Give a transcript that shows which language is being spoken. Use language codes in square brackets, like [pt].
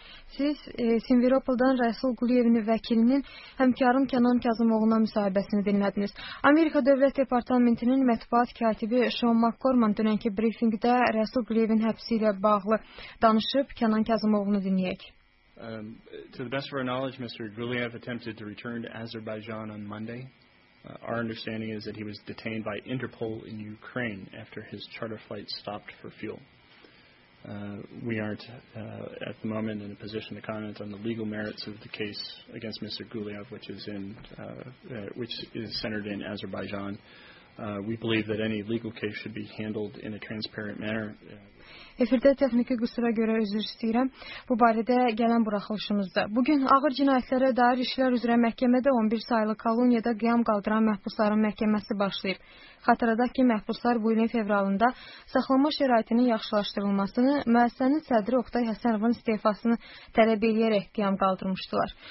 [az] Siz Simvirovdan Rəsul Quliyevin vəkilinin həmkarım Kənan Kazımovuna müsahibəsini dinlədiniz. Amerika Dövlət Departamentinin mətbuat katibi Sean McCormand dünənki briefingdə Rəsul Quliyevin həbsi ilə bağlı danışıb Kənan Kazımovunu dinləyək. [en] To the best of our knowledge, Mr. Guliyev attempted to return to Azerbaijan on Monday. Our understanding is that he was detained by Interpol in Ukraine after his charter flight stopped for fuel. We aren't at the moment in a position to comment on the legal merits of the case against Mr. Guliyev, which is in which is centered in Azerbaijan. We believe that any legal case should be handled in a transparent manner. [az] Efirdə texniki qüsura görə üzr istəyirəm. Bu barədə gələn buraxılışımızda. Bugün ağır cinayətlərə dair işlər üzrə məhkəmədə 11 saylı koloniyada qiyam qaldıran məhbusların məhkəməsi başlayıb. Xatırladaq ki, məhbuslar bu ilin fevralında saxlama şəraitinin yaxşılaşdırılmasını, müəssisənin sədri Oqtay Həsənovun istefasını tələb eləyərək qiyam qaldırmışdılar.